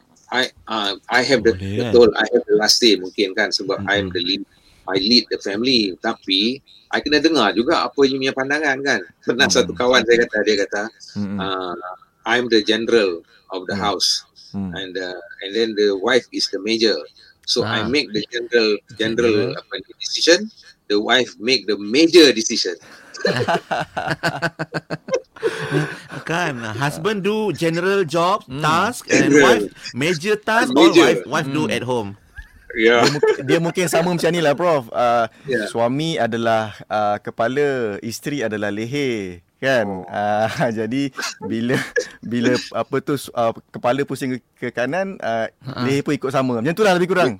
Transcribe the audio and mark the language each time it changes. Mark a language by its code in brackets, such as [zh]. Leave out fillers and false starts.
[en] I have the, [ms] betul, [en] I have the last say [ms] mungkin kan, sebab [en] I'm the lead, I lead the family. [ms] Tapi, I kena dengar juga apa yang punya pandangan kan. Pernah satu kawan saya kata, dia kata, [en] I'm the general of the house. And then the wife is the major. So, I make the general decision, the wife make the major decision. [ms] Kan, [en] husband do general job task, and wife major task, major. Wife do at home. [ms] Yeah. Dia mungkin sama macam ni lah, Prof. Suami adalah kepala, isteri adalah leher, kan? Jadi bila apa tu, kepala pusing ke kanan, leher pun ikut sama. Macam itulah lebih kurang.